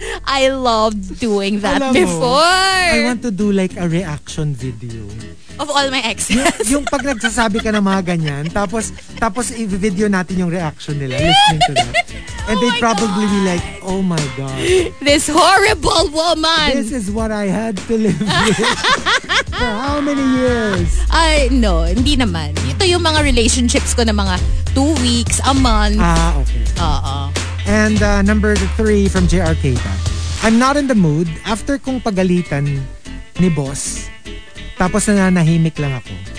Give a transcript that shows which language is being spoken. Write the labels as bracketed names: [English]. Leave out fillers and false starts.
[English] I loved doing that before. I want to do like a reaction video. Of all my exes. [Filipino] Yung pag nagsasabi ka ng mga ganyan, tapos i-video natin yung reaction nila. [English] Listening to that. And they'd probably be like, oh my God. This horrible woman. This is what I had to live with. For how many years? No, [Filipino] hindi naman. Ito yung mga relationships ko na mga 2 weeks, a month. [English] Ah, okay. And number 3 from JR Keita. I'm not in the mood. After [Filipino] kong pagalitan ni boss, tapos nananahimik lang ako.